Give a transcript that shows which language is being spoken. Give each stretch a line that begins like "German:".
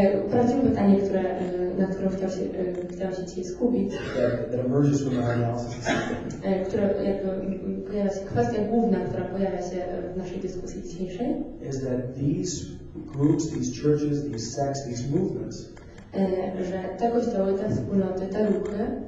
Polish: Prawdziwe pytanie, które, na które chciałam się dzisiaj skupić.
English: That emerges from our analysis.
Polish: Która jakby pojawia się, kwestia główna, która pojawia się w naszej dyskusji dzisiejszej.
English: Is that these groups, these churches, these sects, these movements.
Polish: Że te kościoły, te wspólnoty, te ruchy.